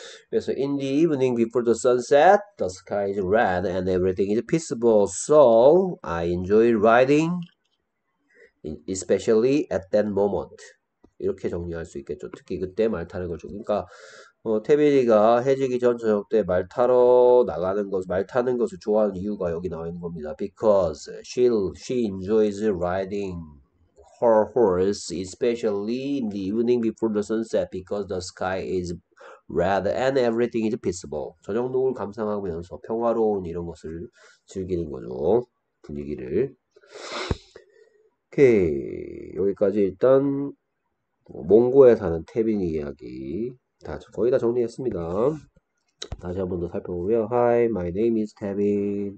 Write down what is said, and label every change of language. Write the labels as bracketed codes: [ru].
[ko] 그래서 [en] in the evening before the sunset, the sky is red and everything is peaceful. So I enjoy riding, especially at that moment. [ko] 이렇게 정리할 수 있겠죠. 특히 그때 말 타는 걸 그러니까 태빈이가 해지기 전 저녁 때말 타러 나가는 것, 말 타는 것을 좋아하는 이유가 여기 나와 있는 겁니다. [en] Because she enjoys riding her horse, especially in the evening before the sunset, because the sky is red and everything is peaceful. [ko] 저녁 노을 감상하면서 평화로운 이런 것을 즐기는 거죠. 분위기를. 오케이. 여기까지 일단 몽고에 사는 태빈이 이야기 다 거의 다 정리했습니다. 다시 한번 더 살펴보면 [en] Hi, my name is Tevin.